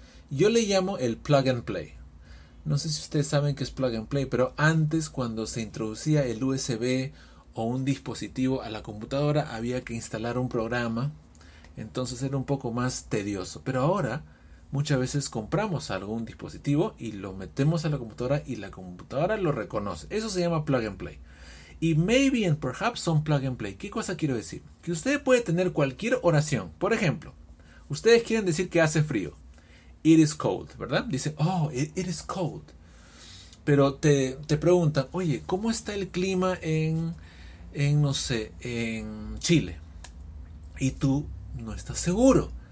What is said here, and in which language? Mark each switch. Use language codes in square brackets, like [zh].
[es] Yo le llamo el plug and play. No sé si ustedes saben qué es plug and play, pero antes cuando se introducía el USB o un dispositivo a la computadora había que instalar un programa, entonces era un poco más tedioso. Pero ahora muchas veces compramos algún dispositivo y lo metemos a la computadora y la computadora lo reconoce. Eso se llama plug and play. Y maybe and perhaps son plug and play. ¿Qué cosa quiero decir? Que usted puede tener cualquier oración. Por ejemplo, ustedes quieren decir que hace frío. [en] It is cold, [es] ¿verdad? Dicen, [en] oh, it is cold. [es] Pero te preguntan, oye, ¿cómo está el clima en en, no sé, en Chile y tú no estás seguro.